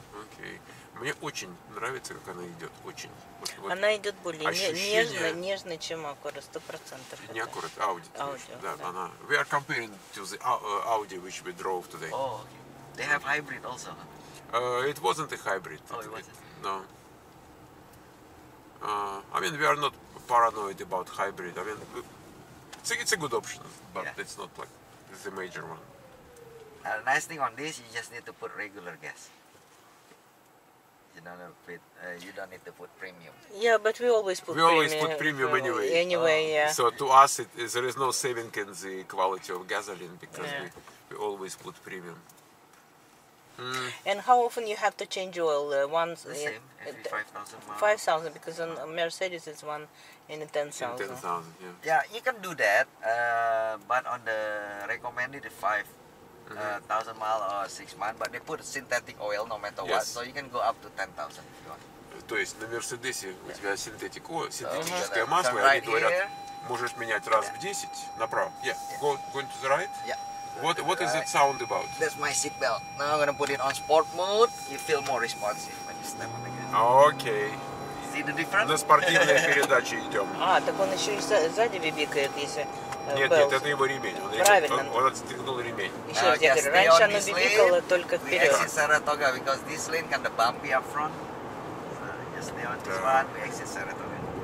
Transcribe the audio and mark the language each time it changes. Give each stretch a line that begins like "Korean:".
Russian: Окей. Мне очень нравится, как она идет. Очень. Она идет более нежно, чем Acura, 100%. Не Acura, Audi. Да, она.
English: We are comparing to the Audi, which we drove today. Oh, okay. They have hybrid also. It wasn't a hybrid. Oh, it wasn't. No. I mean, we are not paranoid about hybrid. I mean, it's a good option, but yeah. It's not like the major one. Nice thing on this, you just need to put regular gas. You don't need to put premium. Yeah, but we always put premium anyway. So to us, there is no saving in the quality of gasoline because we always put premium. Mm. And how often you have to change oil? Once the same, every 5,000 miles. 5,000, because on Mercedes it's one in 10,000. In 10,000, yeah. Yeah, you can do that, but on the recommended 5,000 miles or 6 months, but they put synthetic oil no matter what, so you can go up to 10,000 if you want.
Russian: То есть на Мерседесе у тебя синтетическое масло, они говорят, можешь менять раз в 10 направо.
English: Yeah, going to the right? Yeah. What is it sound about? That's my seat belt. Now I'm gonna put it on sport mode, you feel more responsive when you step on the gas. Okay. See the difference?
Russian: На спортивные передачи идем. А, так он еще и сзади бибикает, если... Нет, это его ремень. Он правильно. Он отстегнул ремень. Еще раз, я говорю, раньше оно бибикало только вперед.
English: Because this lane kind of bumpy up front. если он без ванны, если саратовый.